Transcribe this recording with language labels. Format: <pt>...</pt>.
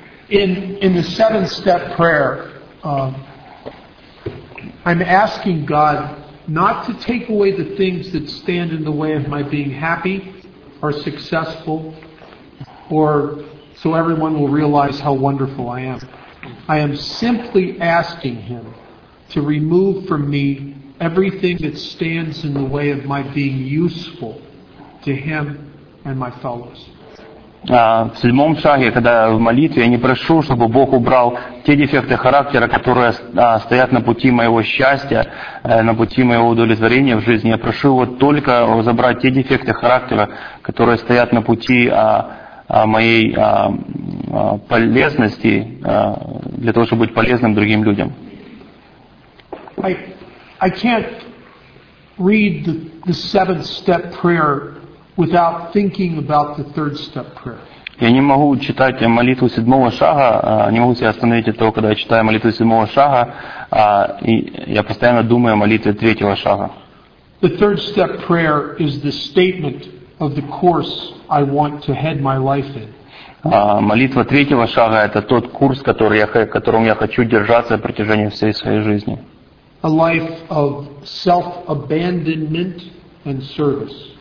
<en>In the seventh step prayer, I'm asking God not to take away the things that stand in the way of my being happy or successful, or so everyone will realize how wonderful I am. I am simply asking Him to remove from me everything that stands in the way of my being useful to Him and my fellows.</en> <ru>В седьмом шаге, когда в молитве, я не прошу, чтобы Бог убрал те дефекты характера, которые стоят на пути моего счастья, на пути моего удовлетворения в жизни. Я прошу его только забрать те дефекты характера, которые стоят на пути моей полезности, для того, чтобы быть полезным другим людям.</ru> <en>I can't read the seventh step prayer without thinking about the third step prayer.</en> <ru>Я не могу читать молитву седьмого шага, не могу себя остановить от того, когда я читаю молитву седьмого шага, и я постоянно думаю о молитве третьего шага.</ru> <en>The third step prayer is the statement of the course I want to head my life in.</en> <ru>Молитва третьего шага — это тот курс, которым я хочу держаться на протяжении всей своей жизни.</ru> <en>A life of self-abandonment and service.</en>